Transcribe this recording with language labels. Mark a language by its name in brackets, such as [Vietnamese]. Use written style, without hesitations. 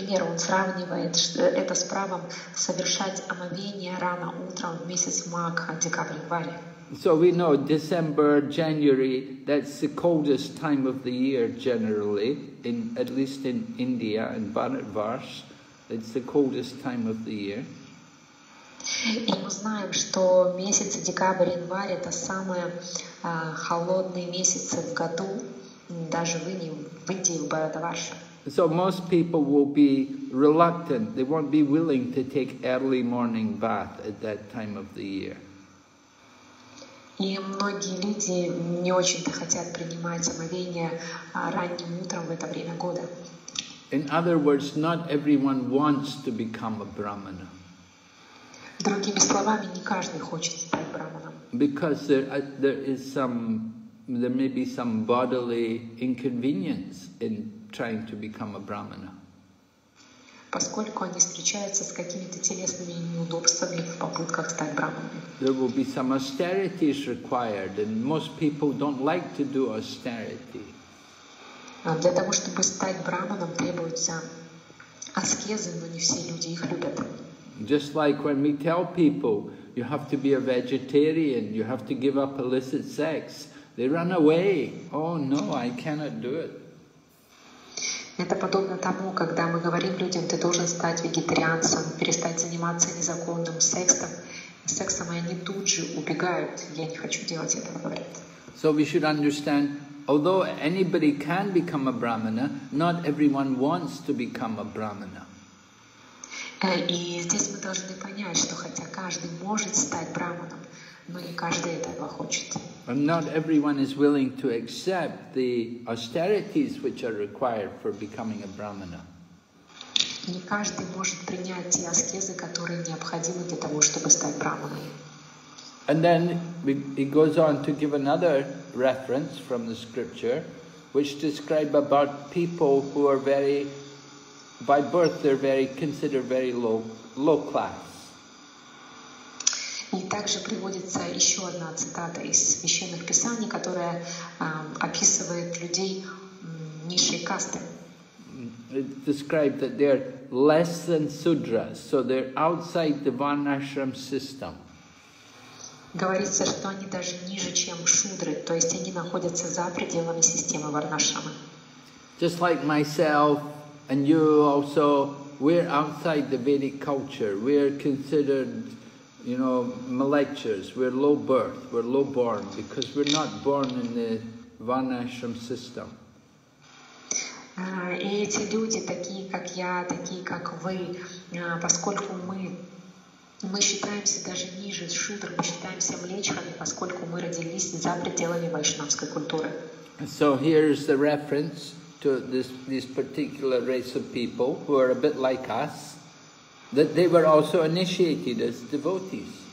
[Russian] Он сравнивает это с правом совершать омовение рано утром в месяц Магха, декабрь-январь. [English] So we know December, January, that's the coldest time of the year generally, at least in India and Bharatvarsh, it's the coldest time of the year. [Russian] И мы знаем, что месяц декабрь-январь — это самые холодные месяцы в году, даже в Индии, в Бхаратварш. [English] So most people will be reluctant, they won't be willing to take early morning bath at that time of the year. [Russian] И многие люди не очень-то хотят принимать омовение ранним утром в это время года. [English] In other words, not everyone wants to become a brahmana. [Russian] Другими словами, не каждый хочет стать брахманом. [English] Because there may be some bodily inconvenience in trying to become a brahmana. [Russian] Поскольку они встречаются с какими-то телесными неудобствами в попытках стать брахманами. [English] There will be some austerities required, and most people don't like to do austerity. [Russian] Для того, чтобы стать брахманом, требуются аскезы, но не все люди их любят. [English] Just like when we tell people, you have to be a vegetarian, you have to give up illicit sex, they run away. Oh no, I cannot do it. [Russian] Это подобно тому, когда мы говорим людям, ты должен стать вегетарианцем, перестать заниматься незаконным сексом, и они тут же убегают. Я не хочу делать этого, говорят. [English] So we should understand, although anybody can become a brahmana, not everyone wants to become a brahmana. [Russian] И здесь мы должны понять, что хотя каждый может стать браманом, но не каждый этого хочет. [English] And not everyone is willing to accept the austerities which are required for becoming a brahmana. [Russian] Не каждый может принять те аскезы, которые необходимы для того, чтобы стать браманом. [English] And then it goes on to give another reference from the scripture, which describe about people who are very, by birth, they're very considered very low class. [Russian] И также приводится еще одна цитата из священных писаний, которая описывает людей низшей касты. [English] It described that they're less than sudras, so they're outside the varnashram system. [Russian] Говорится, что они даже ниже, чем шудры, то есть они находятся за пределами системы варнашрама. [English] Just like myself and you also, we're outside the Vedic culture. We're considered, you know, malechers. We're low birth. We're low born because we're not born in the varnashram system. [Russian] И эти люди, такие как я, такие как вы, поскольку мы считаемся даже ниже шудр, мы считаемся млечхами, поскольку мы родились за пределами вайшнавской культуры. [English] So here's the reference to this particular race of people who are a bit like us, that they were also initiated as devotees.